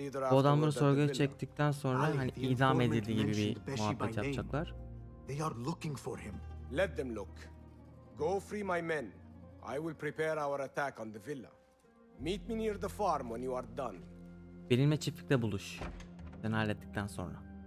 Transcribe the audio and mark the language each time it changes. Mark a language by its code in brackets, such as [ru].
[tr] Bu adamları sorguya çektikten sonra hani idam edildiği gibi bir muhabbet yapacaklar. [en] They are looking for him. Let them look. Go free my men. I will prepare our attack on the villa. Meet me near the farm when you are done. [tr] Benimle çiftlikte buluş. Seni hallettikten sonra.